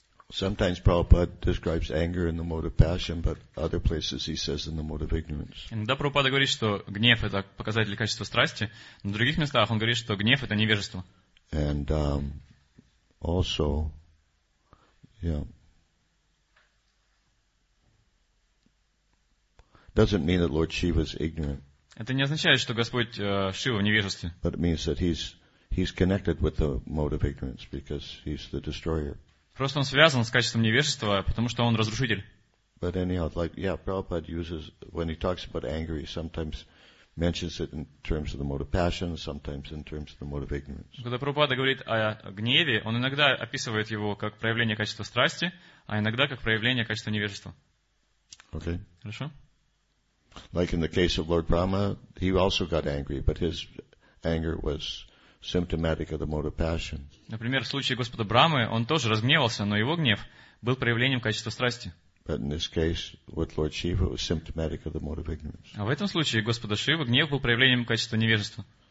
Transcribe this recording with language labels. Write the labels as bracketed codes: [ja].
[en] Sometimes Prabhupada describes anger in the mode of passion, but other places he says in the mode of ignorance. [ru] Иногда Прабхупада говорит, что гнев это показатель качества страсти, но в других местах он говорит, что гнев это невежество. [en] And also, yeah. Doesn't mean that Lord Shiva is ignorant. [ru] Это не означает, что Господь Шива в невежестве. [en] But it means that he's connected with the mode of ignorance because he's the destroyer. [ru] Просто он связан с качеством невежества, потому что он разрушитель. [en] But anyhow, like yeah, Prabhupada uses when he talks about anger, he sometimes mentions it in terms of the mode of passion, sometimes in terms of the mode of ignorance. [ru] Когда Прабхупада говорит о гневе, он иногда описывает его как проявление качества страсти, а иногда как проявление качества невежества. [en] Okay. [ru] Хорошо. [en] Like in the case of Lord Brahma, he also got angry, but his anger was symptomatic of the mode of passion. [ru] Например, в случае Господа Брамы, он тоже разгневался, но его гнев был проявлением качества страсти. [en] But in this case, with Lord Shiva, it was symptomatic of the mode of ignorance. [ru] А в этом случае Господа Шивы гнев был проявлением качества невежества.